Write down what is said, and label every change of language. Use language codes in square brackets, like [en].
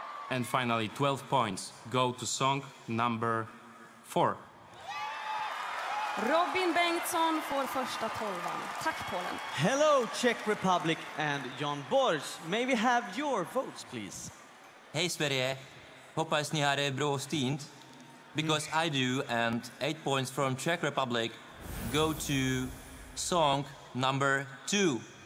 [en] And finally, 12 points go to song number 4. [sv] Robin Bengtsson får första tolvan. Tack, Polen. [en] Hello, Czech Republic and John Borsch. May we have your votes, please? [sv] Hej, Sverige. Hoppas ni har det bra stint. [en] Because I do, and 8 points from Czech Republic go to song number 2.